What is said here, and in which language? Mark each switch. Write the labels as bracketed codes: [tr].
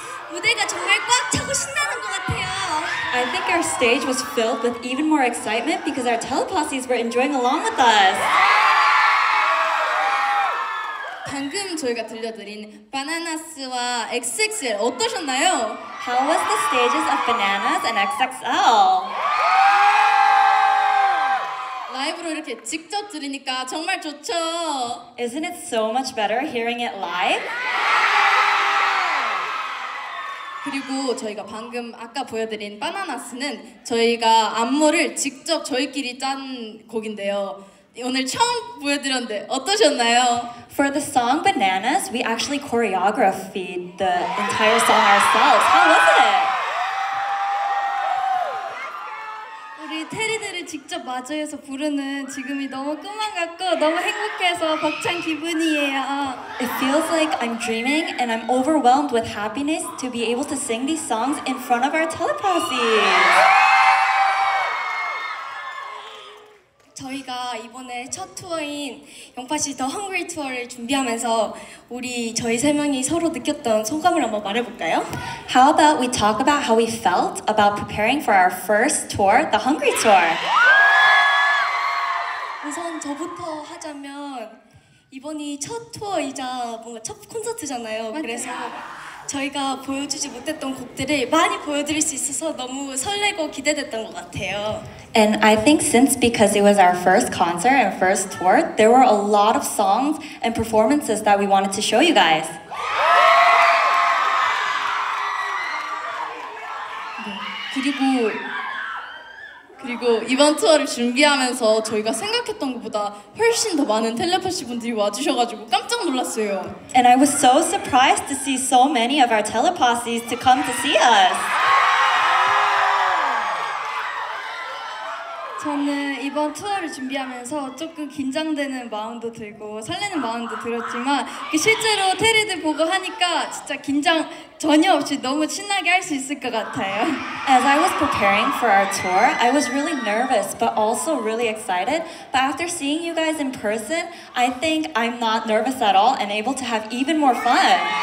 [ko] 무대가 정말 꽉 차고 신나는 것 같아요. [en] I think our stage was filled with even more excitement because our teleposses were enjoying along with us. [ko] 방금 저희가 들려드린 Bananas와 XXL 어떠셨나요? [en] How was the stages of Bananas and XXL? [ko] 라이브로 이렇게 직접 들으니까 정말 좋죠. [en] Isn't it so much better hearing it live? [ko] 그리고 저희가 방금 아까 보여드린 바나나스는 저희가 안무를 직접 저희끼리 짠 곡인데요. 오늘 처음 보여드렸는데 어떠셨나요? [en] For the song Bananas, we actually choreographed the entire song ourselves. How was it? [ko] 테리들을 직접 마주해서 부르는 지금이 너무 꿈만 같고 너무 행복해서 벅찬 기분이에요. [en] It feels like I'm dreaming and I'm overwhelmed with happiness to be able to sing these songs in front of our teleposses. [ko] 저희가 이번에 첫 투어인 영파씨 더 헝그리 투어를 준비하면서 우리 저희 세 명이 서로 느꼈던 소감을 한번 말해볼까요? [en] How about we talk about how we felt about preparing for our first tour, the Hungry Tour? [ko] 우선 저부터 하자면 이번이 첫 투어이자 뭔가 첫 콘서트잖아요. 맞아요. 그래서 저희가 보여주지 못했던 곡들을 많이 보여드릴 수 있어서 너무 설레고 기대됐던 것 같아요. [en] And I think since because it was our first concert and first tour, there were a lot of songs and performances that we wanted to show you guys. [ko] 그리고 이번 투어를 준비하면서 저희가 생각했던 것보다 훨씬 더 많은 텔레파시 분들이 와주셔가지고 깜짝 놀랐어요. [en] And I was so surprised to see so many of our teleposses to come to see us. [ko] 저는 이번 투어를 준비하면서 조금 긴장되는 마음도 들고 설레는 마음도 들었지만 실제로 테리들 보고 하니까 진짜 긴장 전혀 없이 너무 신나게 할 수 있을 것 같아요. [en] As I was preparing for our tour, I was really nervous but also really excited. But after seeing you guys in person, I think I'm not nervous at all and able to have even more fun.